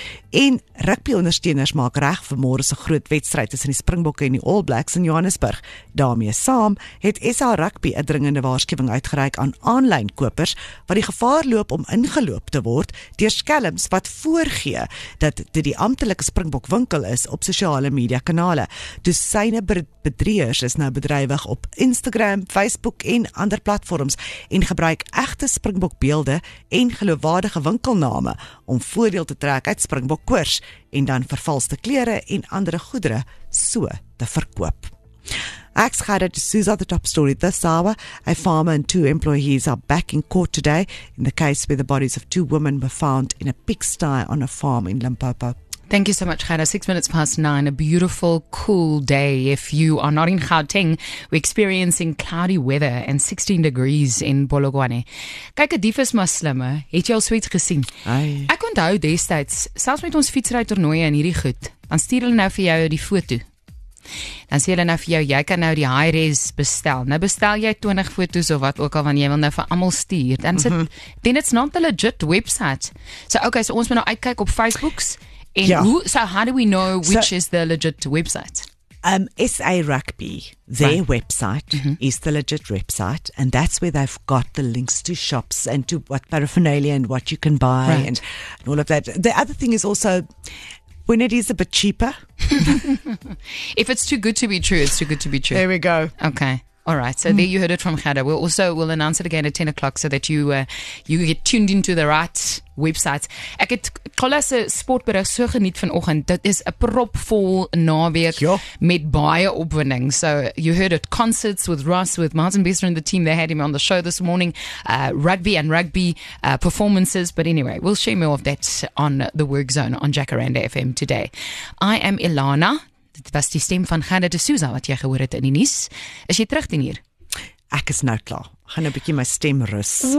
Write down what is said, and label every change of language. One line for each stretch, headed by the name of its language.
Afrikaans: En rugbyondersteuners maak reg vir môre se groot wedstryd tussen die Springbokke en die All Blacks in Johannesburg. Daarmee saam het SA Rugby 'n dringende waarskuwing uitgereik aan aanlyn kopers wat die gevaar loop om ingeloop te word deur skelms wat voorgee dat dit die amptelike Springbok winkel is op sosiale media kanale. Dosyne bedrieërs is nou bedrywig op Instagram, Facebook en ander platforms en gebruik egte Springbok beelde en geloofwaardige winkelname om voordeel te trek uit Springbok koers en dan vervalste klere en andere goedere so te verkoop. Ek's
English: Gerda D'Souza, the top story this hour. A farmer and two employees are back in court today in the case where the bodies of two women were found in a pigsty on a farm in Limpopo. Thank you so much, Gerda. 6 minutes past nine, a beautiful, cool day. If you are not in Gauteng, we're experiencing cloudy weather and 16 degrees in Polokwane.
Afrikaans: Kyk, die vis maar slimme. Het jy al so iets gesien?
English: Aye.
Afrikaans: Ek onthou destyds, selfs met ons fietsry toernooie in hierdie goed, dan stuur hulle nou vir jou die foto. Dan sê hulle nou vir jou, jy kan nou die high res bestel. Nou bestel jy 20 foto's of wat ook al, want jy wil nou vir allemaal stuur. Dan sê,
English: then it's not a legit website.
Afrikaans: So, okay, so ons moet nou uitkyk op Facebooks.
English: And yeah. how do we know which is the legit website? SA Rugby, their right. website mm-hmm. is the legit website, and that's where they've got the links to shops and to what paraphernalia and what you can buy right. and all of that. The other thing is also when it is a bit cheaper. If it's too good to be true, it's too good to be true. There we go. Okay. All right, so there you heard it from Gerda. We'll announce it again at 10 o'clock so that you get tuned into the right website.
Afrikaans: Ek het Kolasse sportberig so geniet vanoggend. Dit is 'n propvol naweek ja. Met baie opwinding.
English: So you heard it, concerts with Ross, with Martin Besser and the team. They had him on the show this morning. Rugby and rugby performances. But anyway, we'll share more of that on the Work Zone on Jacaranda FM today. I am Ilana.
Afrikaans: Dit was die stem van Gerda D'Souza wat jy gehoor het in die nuus. Is jy terug teen hier? Ek is nou klaar. Gaan 'n bietjie my stem rus.